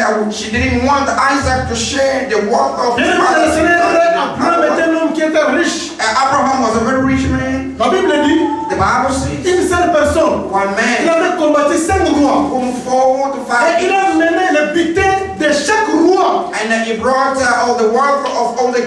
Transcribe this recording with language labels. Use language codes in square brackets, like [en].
[en] She didn't want Isaac to share the wealth of his father. [fr] Mais le Seigneur Abraham était un homme qui était riche. [en] Abraham was a very rich man. [fr] La Bible dit. [en] The Bible says. [fr] Une seule personne. [en] One man. [fr] Il avait combattu cinq rois. [en] Fought five. [fr] Et il a mené le butin de chaque roi. [en] And he brought all the wealth of all the